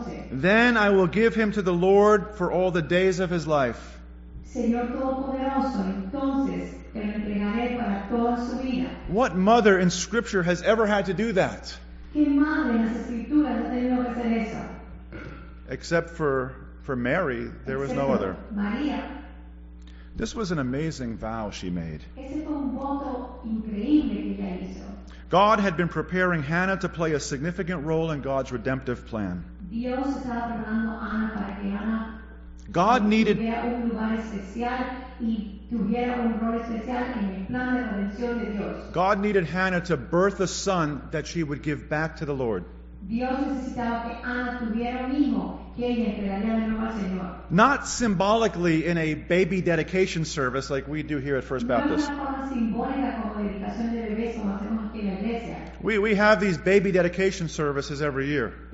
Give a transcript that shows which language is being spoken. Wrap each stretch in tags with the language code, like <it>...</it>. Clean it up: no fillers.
<en>Then I will give him to the Lord for all the days of his life.</en> <es>Señor Todopoderoso, entonces te lo entregaré para toda su vida.</es> <en>What mother in Scripture has ever had to do that?</en> <es>¿Qué madre en las Escrituras ha tenido que hacer eso?</es> <en>Except for Mary, there</en> <es>Excepto</es> <en>was no other.</en> <es>María.</es> <en>This was an amazing vow she made.</en> <es>Ese fue un voto increíble que ella hizo.</es> <en>God had been preparing Hannah to play a significant role in God's redemptive plan.</en> <es>Dios estaba preparando a Ana para que Ana</es> <en>God needed</en> <es>un lugar especial y tuviera un rol especial en el plan de redención de Dios.</es> <en>God needed Hannah to birth a son that she would give back to the Lord.</en> <es>Dios necesitaba que Ana tuviera un hijo que ella entregaría de nuevo al Señor.</es> <en>Not symbolically in a baby dedication service like we do here at First Baptist.</en> <es>No de una forma simbólica como dedicación de bebés como hacemos aquí en la iglesia.</es> <en>We have these baby dedication services every year.</en>